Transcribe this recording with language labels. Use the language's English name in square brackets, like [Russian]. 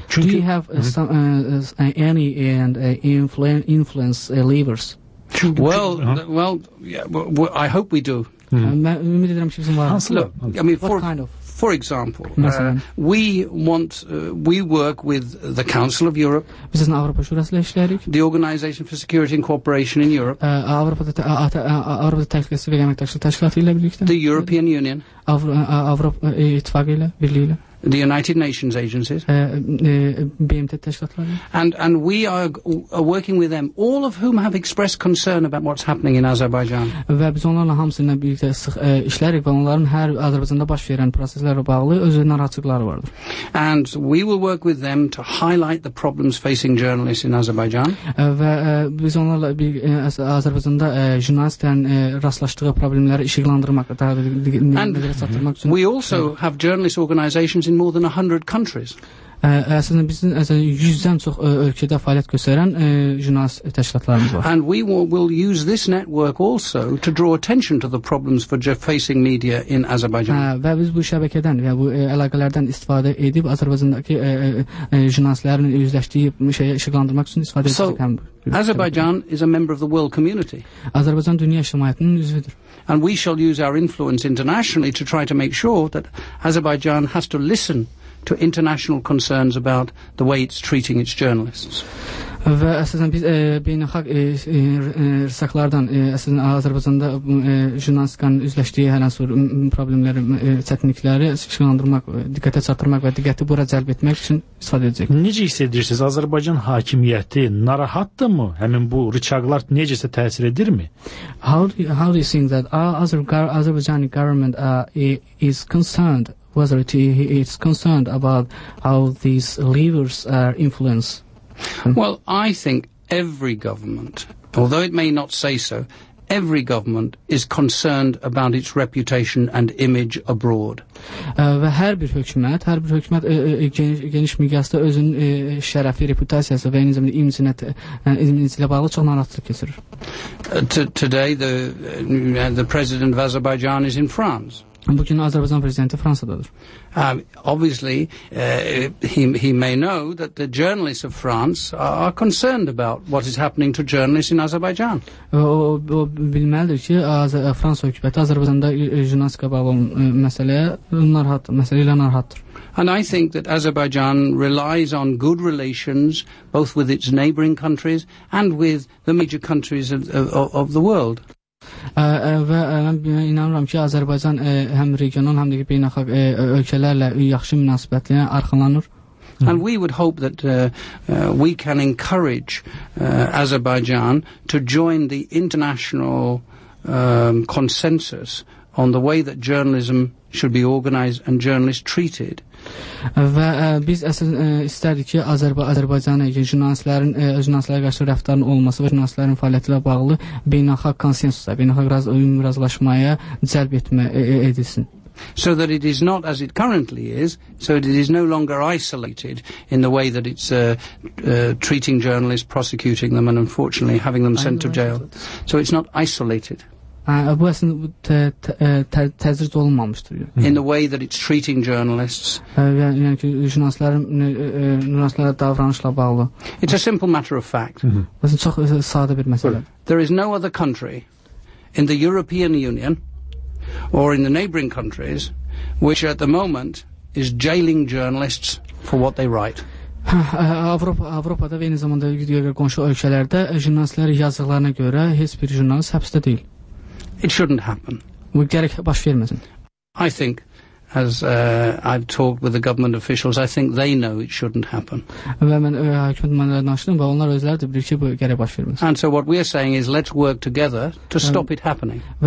[Azerbaijani] Çünki [English] do you have any and influence levers? Well, I hope we do. [Azerbaijani] Mən ümid edirəm ki, bizim var. [English] For example, we work with the Council of Europe, [Azerbaijani] biz Avropa Şurası ilə işləyirik. [English] The Organization for Security and Cooperation in Europe, [Azerbaijani] Avropa Təhlükəsizliyi və Əməkdaşlıq Təşkilatı ilə birlikdə. [English] The European Union, [Azerbaijani] Avropa İttifaqı ilə birlikdə. [English] The United Nations agencies, [Azerbaijani] BMT təşkilatları. [English] And we are working with them, all of whom have expressed concern about what's happening in Azerbaijan. [Azerbaijani] Və biz onlarla hamısıyla birlikdə sıx işləyirik və onların hər Azərbaycanda baş verən proseslərlə bağlı öz narahatlıqları vardır. [English] And we will work with them to highlight the problems facing journalists in Azerbaijan. [Azerbaijani] Və biz onlarla bir Azərbaycanda jurnalistlərin rastlaşdığı problemləri işıqlandırmaq, daha da nəzərə çatdırmaq üçün. [English] We also have journalist organizations in more than 100 countries. [Azerbaijani] Əslində bizim 100-dən çox ölkədə fəaliyyət göstərən jurnalist təşkilatlarımız var. [English] And we will use this network also to draw attention to the problems for facing media in Azerbaijan. [Azerbaijani] Və biz bu şəbəkədən və bu əlaqələrdən istifadə edib Azərbaycandakı jurnalistlərin üzləşdiyi şeyə işıqlandırmaq üçün istifadə edəcəyik. [English] Azerbaijan is a member of the world community. [Azerbaijani] Azərbaycan dünya cəmiyyətinin üzvüdür. [English] And we shall use our influence internationally to try to make sure that Azerbaijan has to listen to international concerns about the way it's treating its journalists. [Azerbaijani] Və əsasən biz beynəlxalq rəsaqlardan əsasən Azərbaycanda jurnalistikanın üzləşdiyi hər hansı problemləri, çətinlikləri işıqlandırmaq, diqqətə çatdırmaq və diqqəti bura cəlb etmək üçün istifadə edəcək. Necə hiss edirsiniz? Azərbaycan hakimiyyəti narahatdırmı? Həmin bu rıçaqlar necəsə təsir edirmi? [English] How do you think that Azerbaijani government is concerned, whether it's concerned about how these levers are influenced? Well, I think every government, although it may not say so, every government is concerned about its reputation and image abroad. [Azerbaijani] Və hər bir hökumət geniş miqyasda özünün şərəfi, reputasiyası və eyni zamanda imicinə ilə bağlı çox narahatlıq keçirir. [English] Today the president of Azerbaijan is in France. [Azerbaijani] Bugün Azərbaycan prezidenti Fransadadır. [English] Obviously, he may know that the journalists of France are concerned about what is happening to journalists in Azerbaijan. [Azerbaijani] O bilməlidir ki, Fransa hökuməti Azərbaycanda jurnalistika bağlı məsələ ilə narahatdır. [English] And I think that Azerbaijan relies on good relations both with its neighboring countries and with the major countries of the world. [Azerbaijani] Və mən inanıram ki, Azərbaycan həm regional, həm də ki, beynəlxalq ölkələrlə yaxşı münasibətlə arxalanır. [English] And we would hope that we can encourage Azerbaijan to join the international consensus on the way that journalism should be organized and journalists treated. [Azerbaijani] Və biz əsasən istərdik ki, Azərbaycan jurnalistlərin jurnalistlərə qarşı rəftarının olması və jurnalistlərin fəaliyyəti ilə bağlı beynəlxalq konsensusa, beynəlxalq razılaşmaya cəlb edilsin. [English] So that it is not as it currently is, so that it is no longer isolated in the way that it's treating journalists, prosecuting them and unfortunately having them sent to jail. So it's not isolated. [Azerbaijani] Bu əslində təcrid olunmamışdır. [English] In the way that it's treating journalists. [Azerbaijani] Yəni ki, jurnalistlərə davranışla bağlı. [English] It's a simple matter of fact. [Azerbaijani] Çox sadə bir məsələ. [English] There is no other country in the European Union or in the neighbouring countries which at the moment is jailing journalists for what they write. [Azerbaijani] Avropada və eyni zamanda digər qonşu ölkələrdə jurnalistlərin yazdıqlarına görə heç bir jurnalist həbsdə deyil. [English] It shouldn't happen. [Azerbaijani] Gərək baş verməsin. [English] I think As I've talked with the government officials, I think they know it shouldn't happen. And so what we're saying is let's work together to stop it happening.